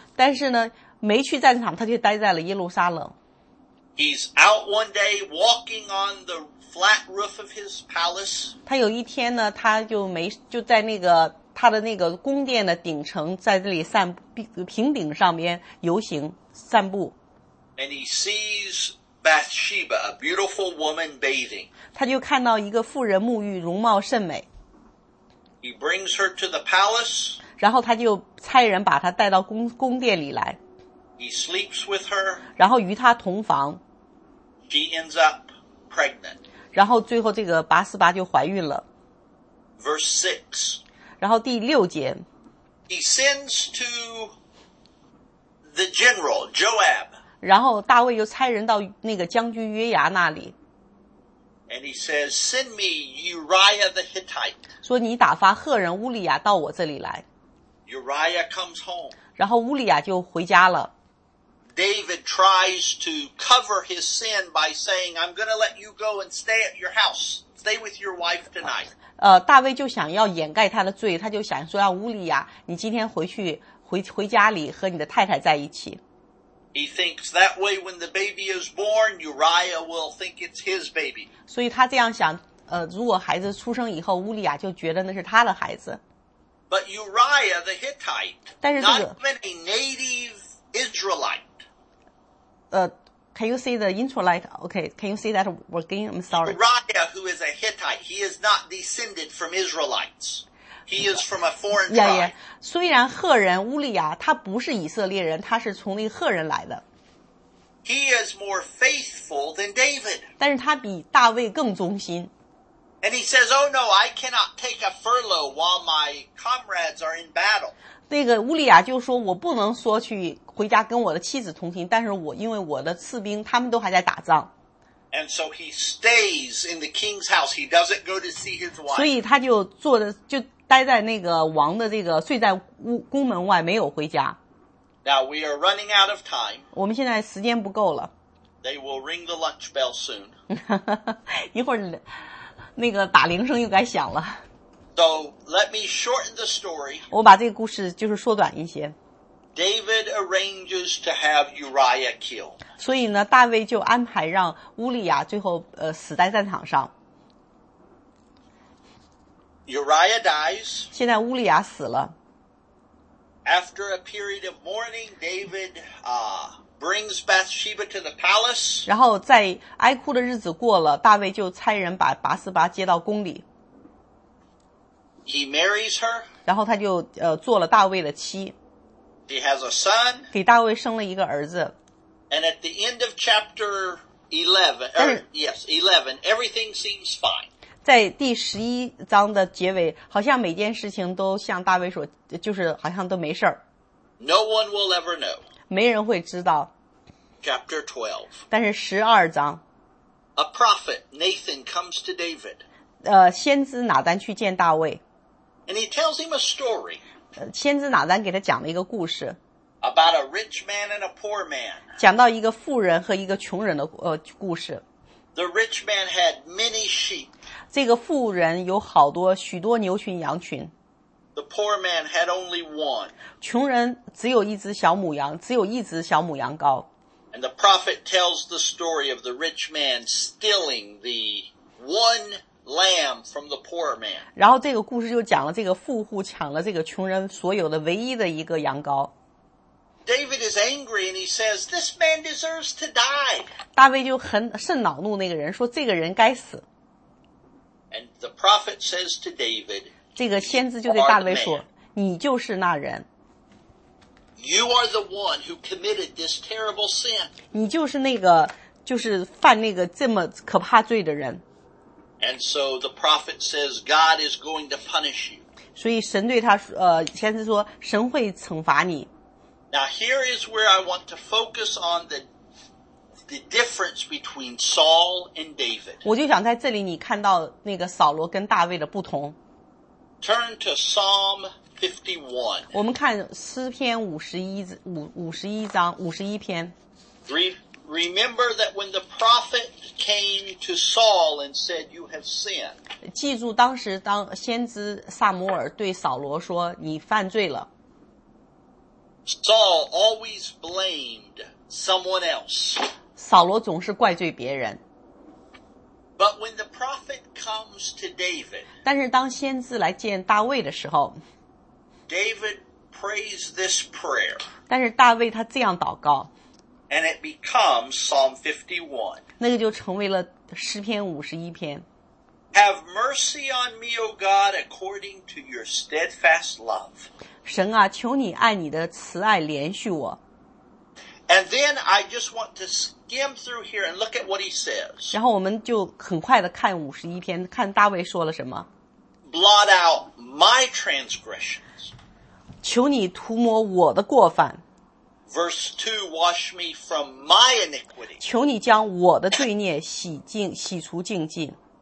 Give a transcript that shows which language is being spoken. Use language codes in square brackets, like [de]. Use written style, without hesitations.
[zh] 但是呢，没去战场，他却待在了耶路撒冷。 [en] He's out one day walking on the flat roof of his palace. [zh] 他有一天呢，他就在那个他的那个宫殿的顶层，在这里散步，平顶上边游行散步。 [en] And he sees Bathsheba, a beautiful woman bathing. [zh] 他就看到一个妇人沐浴，容貌甚美。 [en] He brings her to the palace. [zh] 然后他就差人把她带到宫殿里来。 [en] He sleeps with her. [zh] 然后与她同房。 [en] She ends up pregnant. [zh] 然后最后这个拔示巴就怀孕了。 [en] Verse 6. [zh] 然后第六节。 [en] He sends to the general, Joab. [zh] 然后大卫又差人到那个将军约牙那里。 [en] And he says, send me Uriah the Hittite. [zh] 说你打发赫人乌利亚到我这里来。 [en] Uriah comes home. [zh] 然后乌利亚就回家了。 [en] David tries to cover his sin by saying, I'm going to let you go and stay at your house. Stay with your wife tonight. [zh] 大卫就想要掩盖他的罪，他就想说让乌利亚，你今天回家里和你的太太在一起。 [en] He thinks that way when the baby is born, Uriah will think it's his baby. [zh] 所以他这样想，如果孩子出生以后，乌利亚就觉得那是他的孩子。 [en] But Uriah the Hittite, [zh] 但是、 [en] not even a native Israelite. Can you see the intro light? Okay, can you see that again? I'm sorry. Uriah, who is a Hittite, he is not descended from Israelites. He is from a foreign tribe. Yeah, yeah. [zh] 虽然赫人乌利亚他不是以色列人，他是从那赫人来的。 [en] He is more faithful than David. [zh] 但是他比大卫更忠心。 [en] And he says, oh no, I cannot take a furlough while my comrades are in battle. [zh] 那个乌利亚就说我不能说去回家跟我的妻子同行，但是我因为我的士兵他们都还在打仗。 [en] And so he stays in the king's house. He doesn't go to see his wife. [zh] 所以他就坐着就待在那个王的这个睡在宫门外没有回家。 [en] Now we are running out of time. [zh] 我们现在时间不够了。 [en] They will ring the lunch bell soon. [zh] 一会儿那个打铃声又该响了。 [en] So, let me shorten the story. [zh] 我把这个故事就是缩短一些。 [en] David arranges to have Uriah killed. [zh] 所以呢大卫就安排让乌利亚最后死在战场上。 [en] Uriah dies. [zh] 现在乌利亚死了。 [en] After a period of mourning, David, brings Bathsheba to the palace. [zh] 然后在哀哭的日子过了，大卫就差人把拔示巴接到宫里。 [en] He marries her. [zh] 然后他就做了大卫的妻。 [en] She has a son. [zh] 给大卫生了一个儿子。 [en] And at the end of chapter 11, everything seems fine. [zh] 在第十一章的结尾，好像每件事情都像大卫所，就是好像都没事儿。 [en] No one will ever know. [zh] 没人会知道。 [en] Chapter 12. [zh] 但是十二章。 [en] A prophet, Nathan, comes to David. [zh] 先知拿单去见大卫。 [en] And he tells him a story. [zh] 先知拿单给他讲了一个故事。 [en] About a rich man and a poor man. [zh] 讲到一个富人和一个穷人的故事。 [en] The rich man had many sheep. [zh] 这个富人有好多许多牛群羊群。 [en] The poor man had only one. [zh] 穷人只有一只小母羊，只有一只小母羊羔。 [en] And the prophet tells the story of the rich man stealing the one lamb from the poor man. [zh] 然后这个故事就讲了这个富户抢了这个穷人所有的唯一的一个羊羔。 [en] David is angry and he says, this man deserves to die. [zh] 大卫就甚恼怒那个人，说这个人该死。 [en] And the prophet says to David, [zh] 这个先知就对大卫说，你就是那人。 [en] You are the one who committed this terrible sin. [zh] 你就是那个就是犯那个这么可怕罪的人。 [en] And so the prophet says God is going to punish you. [zh] 所以神对他先知说神会惩罚你。 [en] Now here is where I want to focus on the difference between Saul and David. [zh] 我就想在这里你看到那个扫罗跟大卫的不同。 [en] Turn to Psalm 51. [zh] 我们看诗篇51篇。 [en] Remember that when the prophet came to Saul and said, you have sinned. [zh] 记住当时当先知萨摩尔对扫罗说你犯罪了。 [en] Saul always blamed someone else. [zh] 扫罗总是怪罪别人。 [en] But when the prophet comes to David, [zh] 但是当先知来见大卫的时候 [en] David prays this prayer, [zh] 但是大卫他这样祷告 [en] and it becomes Psalm 51. [zh] 那个就成为了诗篇51篇。 [en] Have mercy on me, O God, according to your steadfast love. [zh] 神啊，求你按你的慈爱怜恤我。 [en] And then I just want to skim through here and look at what he says. [zh] 然后我们就很快的看51篇，看大卫说了什么。 [en] Blot out my transgressions. [zh] 求你涂抹我的过犯。 [en] Verse 2, wash me from my iniquity. [zh] 求你将我的罪孽洗除净尽。